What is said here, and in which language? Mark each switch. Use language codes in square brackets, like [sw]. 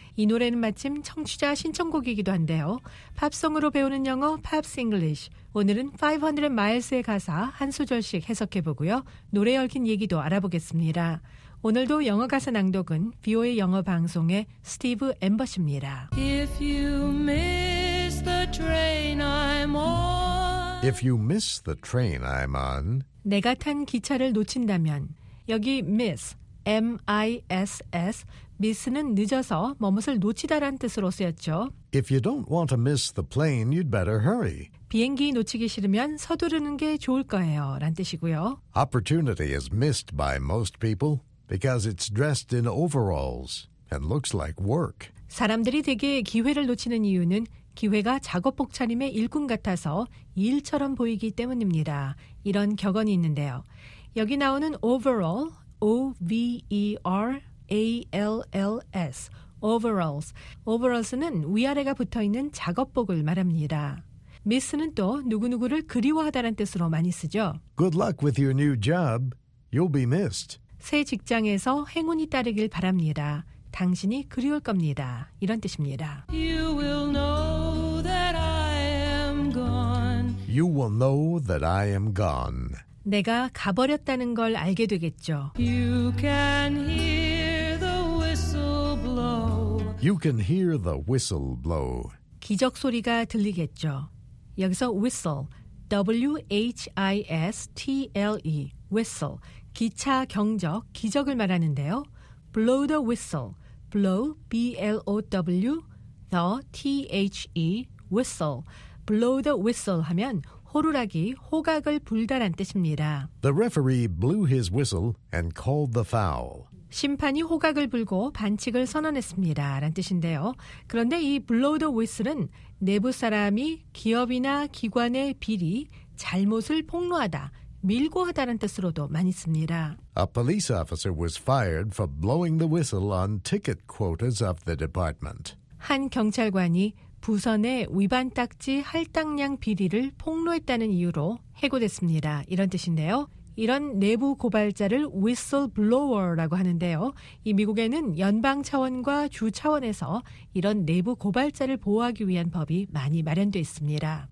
[ko] 이 노래는 마침 청취자 신청곡이기도 한데요. 팝송으로 배우는 영어 Pops English. 오늘은 500 Miles의 가사 한 소절씩 해석해보고요. 노래 얽힌 얘기도 알아보겠습니다. 오늘도 영어 가사 낭독은 VOA 영어 방송의 스티브 앰버시입니다. [en] If you miss the train I'm on If you miss the train I'm on [ko] 내가 탄 기차를 놓친다면 여기 miss, M-I-S-S miss는 늦어서 뭐뭇을 놓치다란 뜻으로 쓰였죠. [en] If you don't want to miss the plane, you'd better hurry. [ko] 비행기 놓치기 싫으면 서두르는 게 좋을 거예요. 란 뜻이고요. [en] Opportunity is missed by most people because it's dressed in overalls and looks like work. [ko] 사람들이 대개 기회를 놓치는 이유는 기회가 작업복 차림의 일꾼 같아서 일처럼 보이기 때문입니다. 이런 격언이 있는데요. 여기 나오는 overall, O-V-E-R-A-L-L-S, overalls. overalls는 위아래가 붙어있는 작업복을 말합니다. Miss는 또 누구누구를 그리워하다는 뜻으로 많이 쓰죠. [en] Good luck with your new job. You'll be missed. [ko] 새 직장에서 행운이 따르길 바랍니다. 당신이 그리울 겁니다. 이런 뜻입니다. [en] You will know that I am gone. You will know that I am gone. [ko] 내가 가버렸다는 걸 알게 되겠죠. [en] You can hear the whistle blow. You can hear the whistle blow. [ko] 기적 소리가 들리겠죠. 여기서 whistle, W-H-I-S-T-L-E, whistle, 기차, 경적, 기적을 말하는데요. [en] Blow the whistle, blow, B-L-O-W, the, T-H-E, whistle. Blow the whistle [ko] 하면 호루라기, 호각을 불다란 뜻입니다. [en] The referee blew his whistle and called the foul. [ko] 심판이 호각을 불고 반칙을 선언했습니다. 라는 뜻인데요. 그런데 이 [en] blow the whistle [ko] 은 내부 사람이 기업이나 기관의 비리, 잘못을 폭로하다, 밀고 하다는 뜻으로도 많이 씁니다. [en] A police officer was fired for blowing the whistle on ticket quotas of the department. [ko] 한 경찰관이 부서 내 위반 딱지 할당량 비리를 폭로했다는 이유로 해고됐습니다. 이런 뜻인데요. 이런 내부 고발자를 whistleblower라고 하는데요. 이 미국에는 연방 차원과 주 차원에서 이런 내부 고발자를 보호하기 위한 법이 많이 마련돼 있습니다.